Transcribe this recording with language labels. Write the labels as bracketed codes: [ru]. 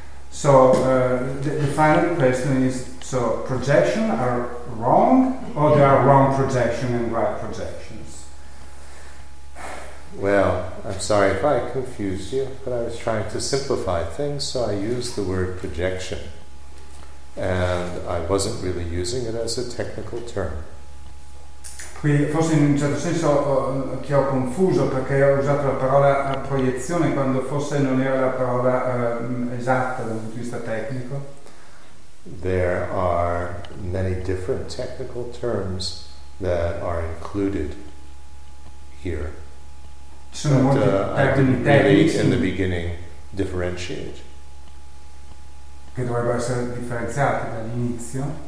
[en] So the final question is, so projection are wrong, or there are wrong projection and right projections? Well, I'm sorry if I confused you, but I was trying to simplify things, so I used the word projection. And I wasn't really using it as a technical term. [it] Qui forse in un certo senso che ho confuso, perché ho usato la parola proiezione quando forse non era la parola esatta dal punto di vista tecnico. [en] There are many different technical terms that are included here. [it] Ci sono molti termini tecnici [en] in the beginning differentiate. [it] Che dovrebbero essere differenziati dall'inizio.